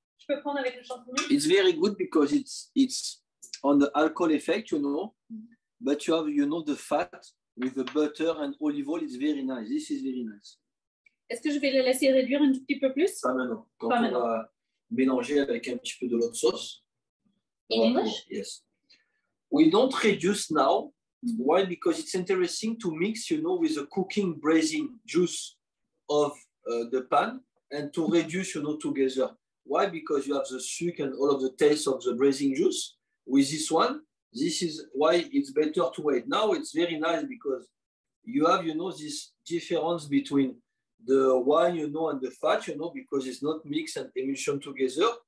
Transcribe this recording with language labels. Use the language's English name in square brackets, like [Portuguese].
[English] Ah. It's very good because it's on the alcohol effect, you know, but you have, you know, the fat with the butter and olive oil. It's very nice. This is very nice. [French] Est-ce que je vais le laisser réduire un petit peu plus? Pas maintenant. Quand pas on maintenant. Va mélanger avec un petit peu de l'autre sauce. [English] In English? Yes. We don't reduce now. Mm-hmm. Why? Because it's interesting to mix, you know, with the cooking braising juice of the pan. And to reduce, you know, together. Why? Because you have the sugar and all of the taste of the braising juice with this one. This is why it's better to wait. Now it's very nice because you have, you know, this difference between the wine, you know, and the fat, you know, because it's not mixed and emulsion together.